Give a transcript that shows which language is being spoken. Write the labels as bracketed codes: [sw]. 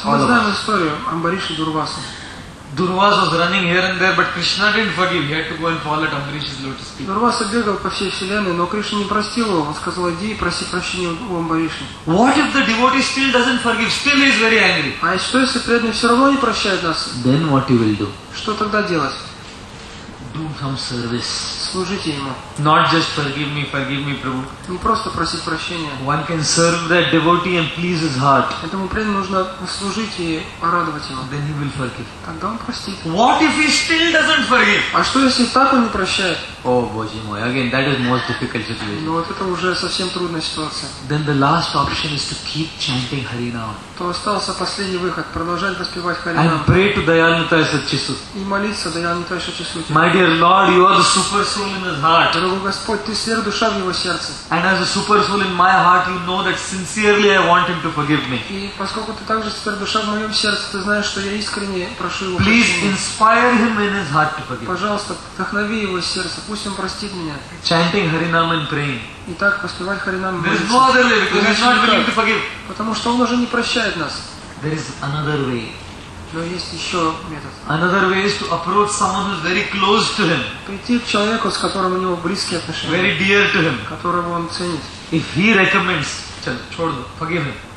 [ru] Мы знаем историю Амбариша и Дурваса. [en] Durvas was running here and there, but Krishna didn't forgive. He had to go and fall at Ambarish's lotus feet. [ru] Дурваса бегал по всей вселенной, но Кришна не простил его. Он сказал: иди и проси прощения у Амбариша. [en] What if the devotee still doesn't forgive? Still he is very angry. [ru] А что если преданный все равно не прощает нас? [en] Then what you will do? [ru] Что тогда делать? [en] Do some service. [ru] Служите ему. [en] Not just forgive me, Prabhu. [ru] Не просто просить прощения. [en] One can serve that devotee and please his heart. [ru] Этому преданному нужно служить и порадовать его. [en] Then he will forgive. [ru] Тогда он простит. [en] What if he still doesn't forgive? [ru] А что если так он не прощает? О, Боже мой! [en] Again, that is most difficult situation. [ru] Но вот это уже совсем трудная ситуация. [en] Then the last option is to keep chanting Harinam. [ru] То остался последний выход. Продолжать воспевать Харинам. [en] And pray to Dayanitaya Satchisu. [ru] И молиться Dayanitaya Satchisu. [en] Dear Lord, you are the super soul in his heart. [ru] Дорогой Господь, ты сверхдуша в его сердце. [en] And as a super soul in my heart, you know that sincerely I want him to forgive me. [ru] И поскольку ты также сверхдуша в моем сердце, ты знаешь, что я искренне прошу его. [en] Please inspire him in his heart to forgive. [ru] Пожалуйста, вдохнови его сердце, пусть он простит меня. [en] Chanting Harinam and praying. [ru] Итак, поспевать Харинам. [en] There is no other way because he's not willing to forgive. [ru] Потому что он уже не прощает нас. [en] There is another way. [ru] Но есть еще метод. [en] Another way is to approach someone who is very close to him. [ru] Прийти к человеку, с которым у него близкие отношения. [en] Very dear to him. [ru] Которого он ценит. [en] If he recommends, forgive him.